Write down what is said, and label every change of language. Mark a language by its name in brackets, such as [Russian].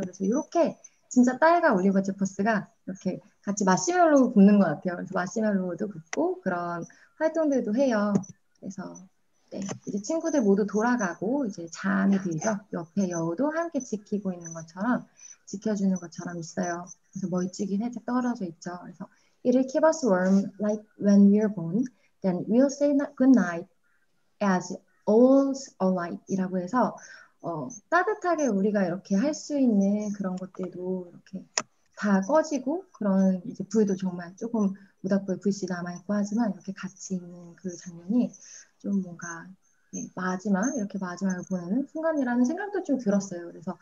[Korean] 그래서 이렇게 진짜 딸과 올리버 제퍼스가 이렇게 같이 마시멜로우 굽는 것 같아요. 그래서 마시멜로우도 굽고 그런 활동들도 해요. 그래서 네, 이제 친구들 모두 돌아가고 이제 잠이 들죠. 옆에 여우도 함께 지키고 있는 것처럼 지켜주는 것처럼 있어요. 그래서 멀찍이 살짝 떨어져 있죠. [English] 그래서 It'll keep us warm like when we're born, then we'll say goodnight as all's alight. [Korean] 이라고 해서 따뜻하게 우리가 이렇게 할수 있는 그런 것들도 이렇게 다 꺼지고 그런 이제 불도 정말 조금 모닥불 불씨 남아있고 하지만 이렇게 같이 있는 그 장면이 좀 뭔가 네, 마지막 이렇게 마지막을 보내는 순간이라는 생각도 좀 들었어요.